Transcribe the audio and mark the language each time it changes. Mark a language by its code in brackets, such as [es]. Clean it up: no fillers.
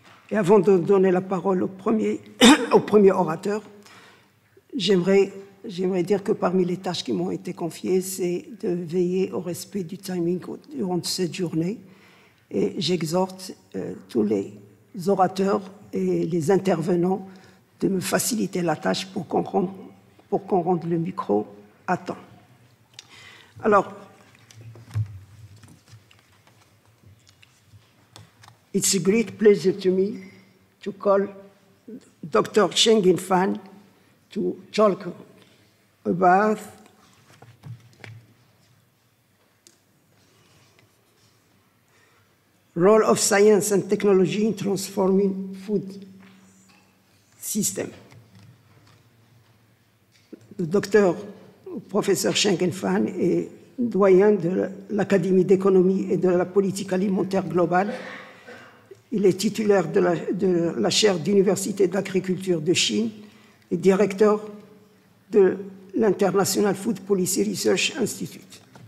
[fr] Et avant de donner la parole au premier orateur, j'aimerais dire que parmi les tâches qui m'ont été confiées, c'est de veiller au respect du timing durant cette journée. Et j'exhorte tous les orateurs et les intervenants de me faciliter la tâche pour qu'on rende le micro à temps. Alors, [en] it's a great pleasure to me to call Dr. Chengin Fan to talk about role of science and technology in transforming food system. The Dr. [fr] Professor Chengin Fan est doyen de l'Académie d'économie et de la politique alimentaire globale. Il est titulaire de la chaire d'Université d'agriculture de Chine et directeur de l'International Food Policy Research Institute.